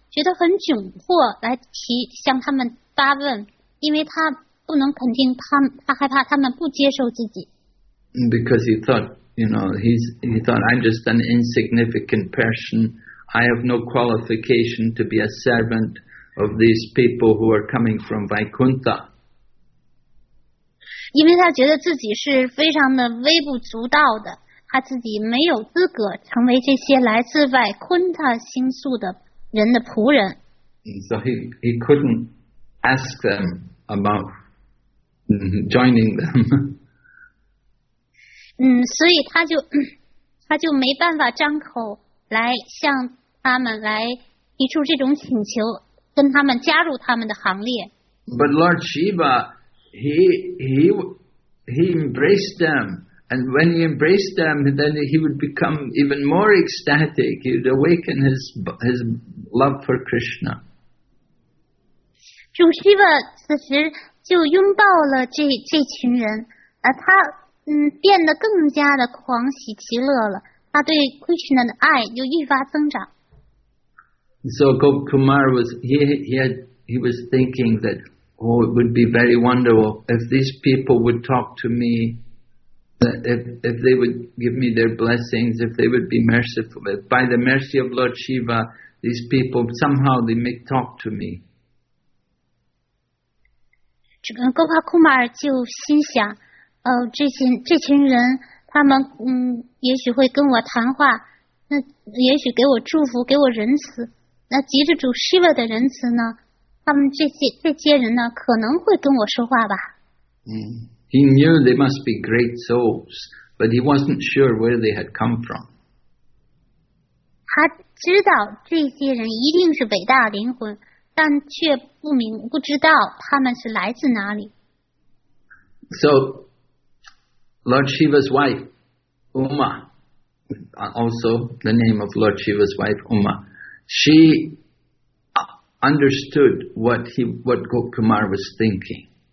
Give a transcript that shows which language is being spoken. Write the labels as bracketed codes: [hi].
[zh] 觉得很窘迫，来提向他们发问，因为他不能肯定他害怕他们不接受自己。 [en] Because he thought, you know, he thought I'm just an insignificant person. I have no qualification to be a servant of these people who are coming from Vaikuntha. [zh] 因为他觉得自己是非常的微不足道的，他自己没有资格成为这些来自Vaikuntha星宿的人的仆人。 [en] So he couldn't ask them about joining them. [zh] 嗯，所以他就没办法张口来向他们来提出这种请求，跟他们加入他们的行列。 [en] But Lord Shiva, he embraced them, and when he embraced them, then he would become even more ecstatic. He would awaken his love for Krishna. [zh] 主 Shiva 此时就拥抱了这群人，他。变得更加的狂喜其乐了，他对 Krishna 的爱就愈发增长。 [en] So Gop Kumar was he was thinking that, oh, it would be very wonderful if these people would talk to me, that if they would give me their blessings, if they would be merciful, if by the mercy of Lord Shiva, these people somehow they may talk to me. [zh] 这个 Gop Kumar 就心想。这群人他们也许会跟我谈话，那也许给我祝福，给我仁慈，那急着主 Shiva 的仁慈呢，他们这些人呢可能会跟我说话吧。 [en] He knew they must be great souls, but he wasn't sure where they had come from. [zh] 他知道这些人一定是伟大灵魂，但却不知道他们是来自哪里。 [en] So,Lord Shiva's wife, Uma, also the name of Lord Shiva's wife, Uma, she understood what Gop Kumar was thinking.